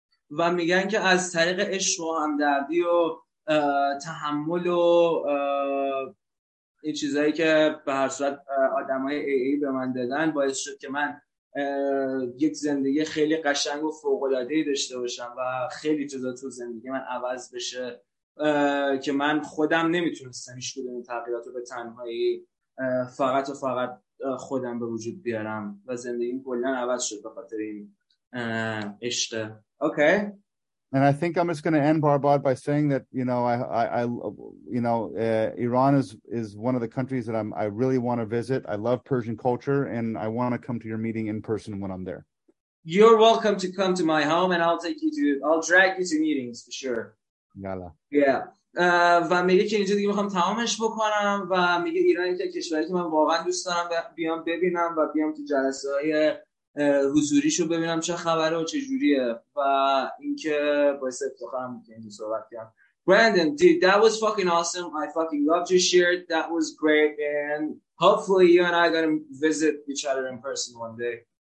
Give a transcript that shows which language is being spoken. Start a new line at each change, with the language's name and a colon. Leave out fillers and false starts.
Persian: و میگن که از طریق عشق و همدردی و تحمل و این چیزایی که به هر صورت آدمای AA به من دادن باعث شد که من یک زندگی خیلی قشنگ و فوق‌العاده‌ای داشته باشم و خیلی چیزا تو زندگی من عوض بشه که من خودم نمیتونستم هیچ کدوم تغییرات رو به تنهایی فقط و فقط خودم به وجود بیارم و زندگیم کلا عوض شد به خاطر این عشق.
English: Okay. And I think I'm just going to end, Barbad, by saying that, you know, I you know, Iran is one of the countries that I really want to visit. I love Persian culture, and I want to come to your meeting in person when I'm there. You're welcome to come to my home, and I'll drag you to meetings for sure.
Arabic: Yalla.
English: Yeah.
Persian: و میگه که اینجا دیگه میخوام تمامش بکنم و میگه ایران یک کشوری که من واقعا دوست دارم بیام ببینم و بیام تو جلسه های حضوریشو ببینم چه خبره و چه جوریه و اینکه باعث افتخارم بود اینجا صحبت کنم.
English: Brandon, dude, that was fucking awesome. I fucking loved your share. That was great, and hopefully you and I gonna visit each other in person one day.